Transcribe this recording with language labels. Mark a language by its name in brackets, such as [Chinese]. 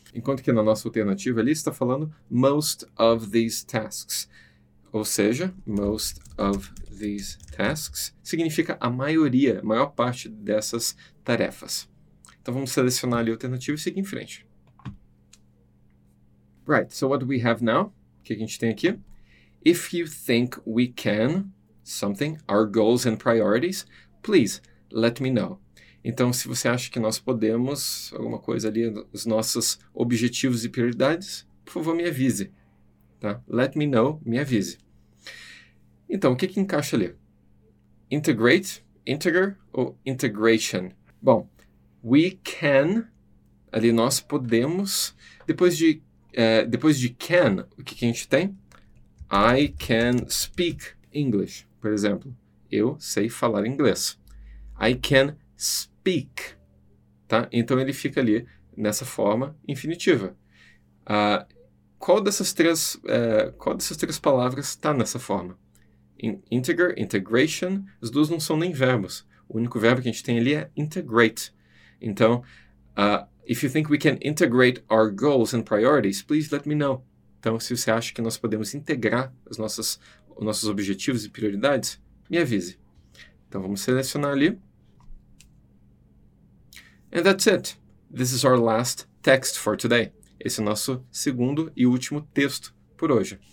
[Portuguese] Enquanto que na nossa alternativa ali está falando most of these tasks. Ou seja, most of these tasks significa a maioria, a maior parte dessas tarefas. Então vamos selecionar ali a alternativa e seguir em frente. [English] Right, so what do we have now? O que a gente tem aqui? If you think we can something, our goals and priorities, please let me know. [Portuguese] Então, se você acha que nós podemos alguma coisa ali, os nossos objetivos e prioridades, por favor, me avise. Tá? Let me know, me avise. Então, o que que encaixa ali? [English] Integrate, integer ou integration? [Portuguese] Bom, we can, ali nós podemos, depois de can, o que que a gente tem? [English] I can speak English, por exemplo. [Portuguese] Eu sei falar inglês. I can speak, tá? Então ele fica ali nessa forma infinitiva. Qual dessas três palavras está nessa forma? Integer, integration, as duas não são nem verbos. O único verbo que a gente tem ali é integrate. [English] Então, if you think we can integrate our goals and priorities, please let me know. [Portuguese] Então, se você acha que nós podemos integrar os nossos objetivos e prioridades, me avise. Então, vamos selecionar ali. [English] And that's it. This is our last text for today. [Portuguese] Esse é o nosso segundo e último texto por hoje.